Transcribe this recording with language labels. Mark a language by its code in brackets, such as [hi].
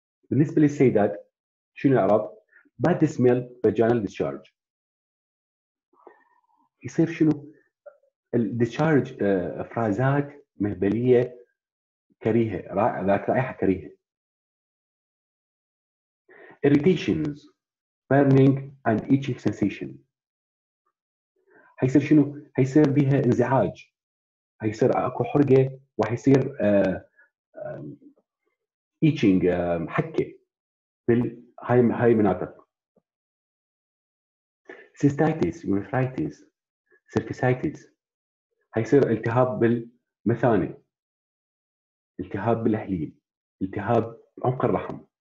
[ar] بالنسبة للسيدات شنو الأعراض؟ باد سميل فاجينال ديسشارج. يصير شنو؟ الديشارج افرازات مهبليه كريهه، ذات رائحه كريهه. [en] irritations burning and itching sensation. [ar] حيصير شنو؟ حيصير بها انزعاج، حيصير اكو حرقه وحيصير itching حكه بالهاي هاي مناطق. cystitis urethritis سيرفيسايتيز، هيصير التهاب بالمثانة، التهاب بالحليب، التهاب عمق الرحم.